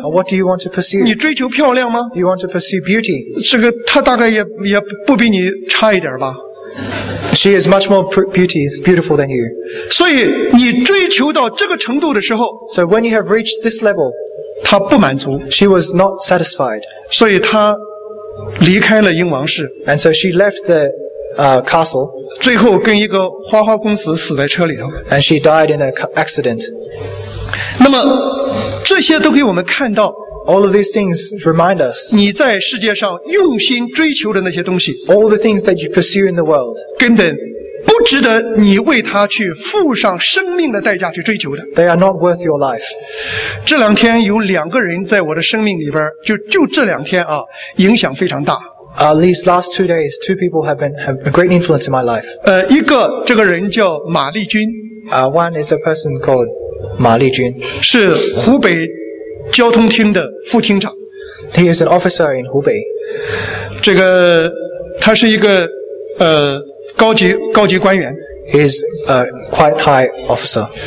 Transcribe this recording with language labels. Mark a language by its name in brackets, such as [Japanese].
[English] What do you want to pursue? [Chinese] 你追求漂亮吗？ [English] Do you want to pursue beauty? [Chinese] 这个她大概也不比你差一点吧。 [English] She is much more beautiful than you. [Chinese] 所以你追求到这个程度的时候， [English] So when you have reached this level, [Chinese] 她不满足。 [English] She was not satisfied. [Chinese] 所以她离开了英王室。 [English] And so she left the castle. [Chinese] 最后跟一个花花公子死在车里头。 [English] And she died in an accident. [Chinese] 那么这些都给我们看到。 [English] All of these things remind us. [Chinese] 你在世界上用心追求的那些东西。 [English] All the things that you pursue in the world. [Chinese] 根本不值得你为它去付上生命的代价去追求的。 [English] They are not worth your life. [Chinese] 这两天有两个人在我的生命里边，就这两天啊，影响非常大。 [English] These last 2 days, two people have a great influence in my life. [Chinese] 一个这个人叫马丽君。 [English] One is a person called 马丽君。 [Chinese] 是湖北交通厅的副厅长。 [English] He is an officer in Hubei. [Chinese] 这个他是一个高级官员。 [English] He is a quite high officer.